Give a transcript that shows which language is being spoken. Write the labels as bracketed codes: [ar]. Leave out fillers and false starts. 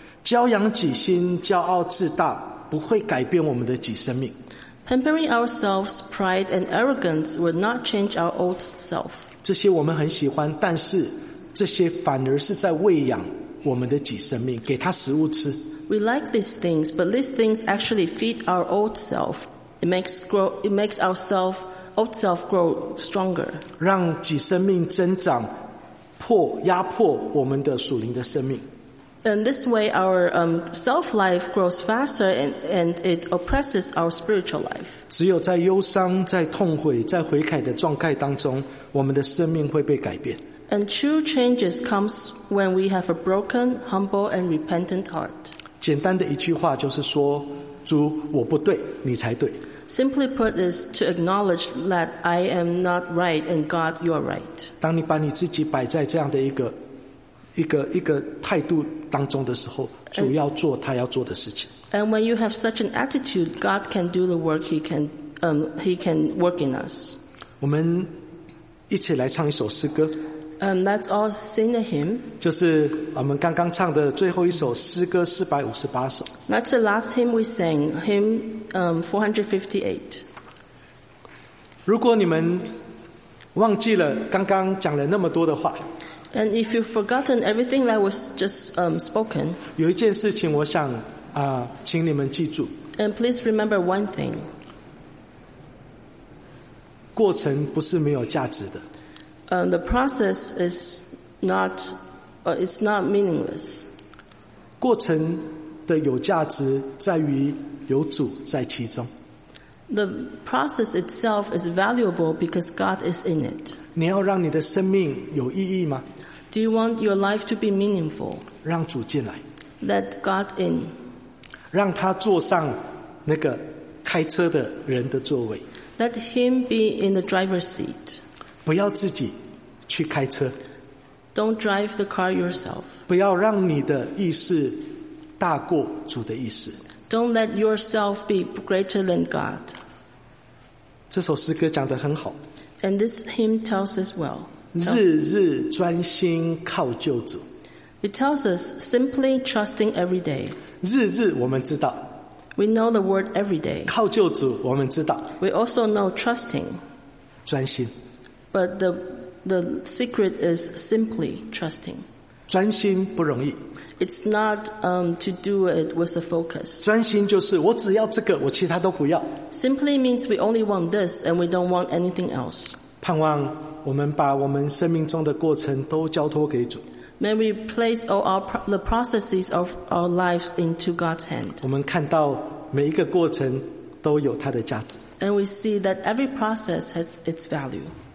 [zh] 骄阳己心,骄傲自大,不会改变我们的己生命。 [en] Pampering ourselves, pride and arrogance will not change our old self. [zh] 这些我们很喜欢，但是这些反而是在喂养我们的己生命，给他食物吃。 [en] We like these things, but these things actually feed our old self. It makes our old self grow stronger. [zh] 让己生命增长，压迫我们的属灵的生命。 [en] And this way our self-life grows faster and it oppresses our spiritual life. [zh] 只有在忧伤、在痛悔、在悔改的状态当中，我们的生命会被改变。 [en] And true changes comes when we have a broken, humble, and repentant heart. [zh] 简单的一句话就是说，主，我不对，你才对。 [en] Simply put is to acknowledge that I am not right and God, you are right. [zh] 当你把你自己摆在这样的一个态度当中的时候，主要做他要做的事情。 [en] And when you have such an attitude, God can do the work He can work in us. [zh] 我们一起来唱一首诗歌。 [en] Let's all sing a hymn. [zh] 就是我们刚刚唱的最后一首诗歌458首。 [en] That's the last hymn we sang, hymn 458. [zh] 如果你们忘记了刚刚讲了那么多的话。 [en] And if you've forgotten everything that was just spoken, [zh] 有一件事情我想请你们记住。 [en] And please remember one thing. [zh] 过程不是没有价值的。 [en] The process is not, it's not meaningless. [zh] 过程的有价值在于有主在其中。 [en] The process itself is valuable because God is in it. [zh] 你要让你的生命有意义吗？ [en] Do you want your life to be meaningful? [zh] 让主进来。 [en] Let God in. [zh] 让他坐上那个开车的人的座位。 [en] Let him be in the driver's seat. [zh] 不要自己去开车。 [en] Don't drive the car yourself. [zh] 不要让你的意识大过主的意识。 [en] Don't let yourself be greater than God. [zh] 这首诗歌讲得很好。 [en] And this hymn tells us well. [zh] 日日专心靠救主。 [en] It tells us simply trusting every day. [zh] 日日我们知道。 [en] We know the word every day. [zh] 靠救主我们知道。 [en] We also know trusting. [zh] 专心。 [en] But the secret is simply trusting. [zh] 专心不容易。 [en] It's not to do it with a focus. [zh] 专心就是我只要这个，我其他都不要。 [en] Simply means we only want this and we don't want anything else. [zh] 盼望我们把我们生命中的过程都交托给主。 [en] May we place all the processes of our lives into God's hand. [zh] 我们看到每一个过程都有它的价值。 [en] And we see that every process has its value.